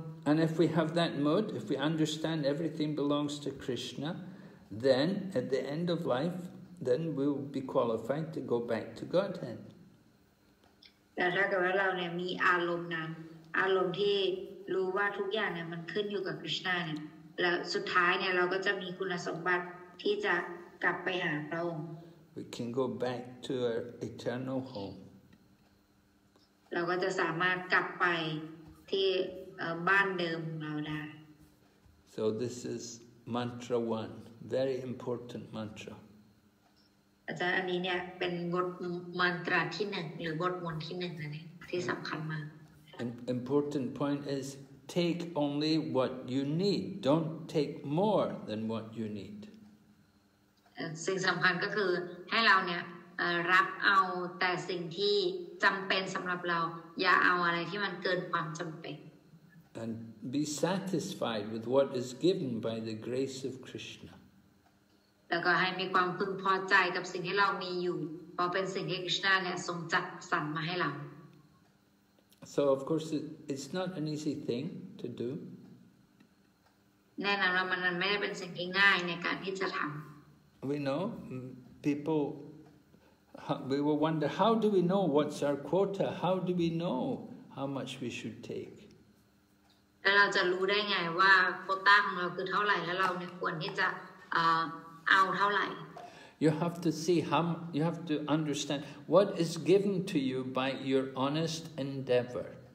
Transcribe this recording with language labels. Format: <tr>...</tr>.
<en>And if we have that mode if we understand everything belongs to Krishna then at the end of life then we will be qualified to go back to Godhead</en> <th>แต่ถ้าเกิดว่าเราเนี่ยมีอารมณ์นั้นอารมณ์ที่รู้ว่าทุกอย่างเนี่ยมันขึ้นอยู่กับคริสต์นาเนี่ยและสุดท้ายเนี่ยเราก็จะมีคุณสมบัติที่จะกลับไปหาพระองค์</th> <en>We can go back to our eternal home</en> <th>เราก็จะสามารถกลับไปที่บ้านเดิมของเราได้</th> <en>So this is mantra 1 very important mantra</en> <th>อาจารย์อันนี้เนี่ยเป็นบทมนตราที่1หรือบทมนต์ที่1นะที่สำคัญมาก</th> <en>An important point isTake only what you need. Don't take more than what you need.</en> <th>สิ่งสำคัญก็คือให้เราเนี่ยรับเอาแต่สิ่งที่จำเป็นสำหรับเราอย่าเอาอะไรที่มันเกินความจำเป็น</th> <en>And be satisfied with what is given by the grace of Krishna.</en> <th>แล้วก็ให้มีความพึงพอใจกับสิ่งที่เรามีอยู่เพราะเป็นสิ่งที่ Krishna เนี่ยทรงจัดสรรมาให้เรา</th> <en>So of course it's not an easy thing to do.</en> <th>แน่นอนว่ามันไม่ได้เป็นสิ่งที่ง่ายในการที่จะทำ</th> <en>We know people. We will wonder how do we know what's our quota? How do we know how much we should take?</en> <th>แล้วเราจะรู้ได้ไงว่าโควต้าของเราคือเท่าไหร่แล้วเราเนี่ยควรที่จะเอาเท่าไหร่</th> <en>You have to see how, you have to understand what is given to you by your honest endeavor.</en>